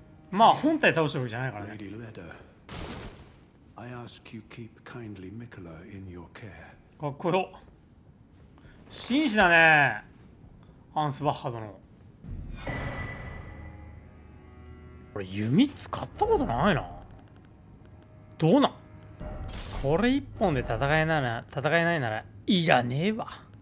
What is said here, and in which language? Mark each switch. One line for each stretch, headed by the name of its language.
Japanese: まあ本体倒したわけじゃないからね。
English: I ask you keep kindly Mikala in your care.
Japanese: かっこよ、紳士だねアンスバッハ殿。これ弓使ったことないな。どうなん、これ一本で戦えないならいらねえわ。